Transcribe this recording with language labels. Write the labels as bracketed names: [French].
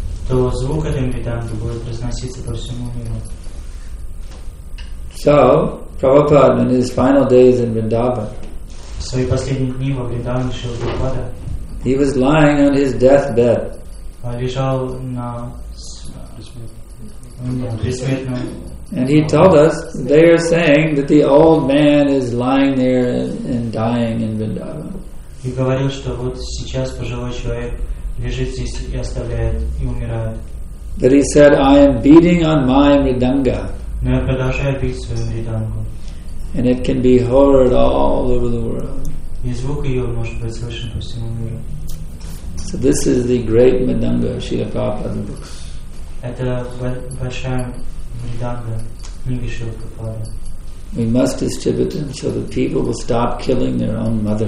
[English] So, Prabhupada in his final days in Vrindavan, he was lying on his deathbed. And he told us, they are saying that the old man is lying there and dying in Vrindavan. He [Russian] говорил, что вот сейчас пожилой человек лежит здесь и оставляет и умирает. [English] But he said, I am beating on my mridanga. [Russian] Но я продолжаю бить свою мриданку. [English] And it can be heard all over the world. [Russian] И звук ее может быть слышен по всему миру. [English] So So this is the great Madanga of Srila Prabhupada's books. We must distribute them so that people will stop killing their own mother.